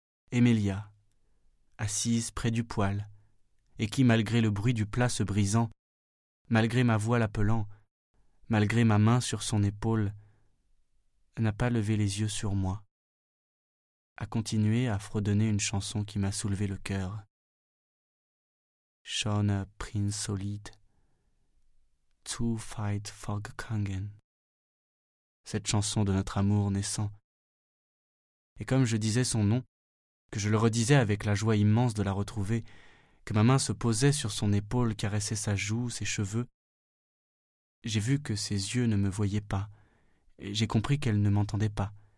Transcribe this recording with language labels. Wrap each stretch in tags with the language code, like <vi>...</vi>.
<fr>Emilia, assise près du poêle, et qui, malgré le bruit du plat se brisant, malgré ma voix l'appelant, malgré ma main sur son épaule, n'a pas levé les yeux sur moi, a continué à fredonner une chanson qui m'a soulevé le cœur.</fr> <de>Schöner Prinz Olid, zu weit vorgegangen.</de> <fr>Cette chanson de notre amour naissant. Et comme je disais son nom, que je le redisais avec la joie immense de la retrouver, que ma main se posait sur son épaule, caressait sa joue, ses cheveux, j'ai vu que ses yeux ne me voyaient pas, et j'ai compris qu'elle ne m'entendait pas.</fr>